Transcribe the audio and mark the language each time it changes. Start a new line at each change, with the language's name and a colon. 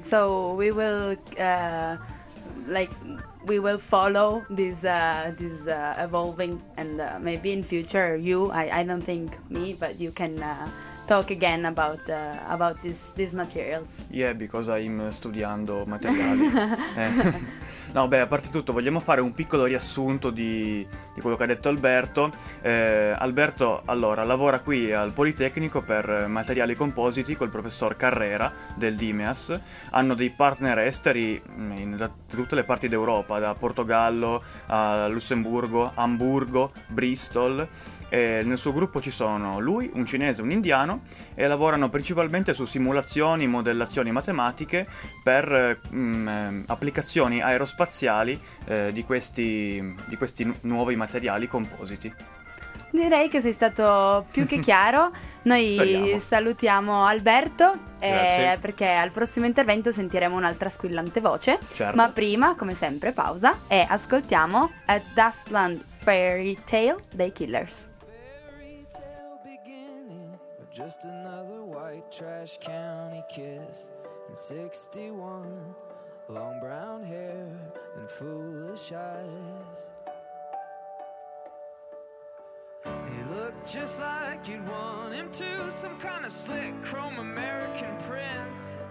English: So we will follow this evolving, and maybe in future I don't think me, but you can talk again about these materials. Yeah, because I'm
Italian: studiando materiali. No, beh, a parte tutto, vogliamo fare un piccolo riassunto di quello che ha detto Alberto. Alberto, allora, lavora qui al Politecnico per materiali compositi col professor Carrera del Dimeas. Hanno dei partner esteri da tutte le parti d'Europa, da Portogallo a Lussemburgo, Amburgo, Bristol. Nel suo gruppo ci sono lui, un cinese e un indiano, e lavorano principalmente su simulazioni, modellazioni matematiche per applicazioni aerospaziali di questi nuovi materiali compositi. Direi che sei stato più che chiaro. Noi speriamo. Salutiamo Alberto, perché al prossimo intervento sentiremo un'altra squillante voce. Certo. Ma prima, come sempre, pausa e ascoltiamo A Dustland Fairy Tale dei Killers.
English: Fairy tale beginning, just another white trash county kiss and 61, long brown hair and foolish eyes. He looked just like you'd want him to, some kind of slick chrome American prince.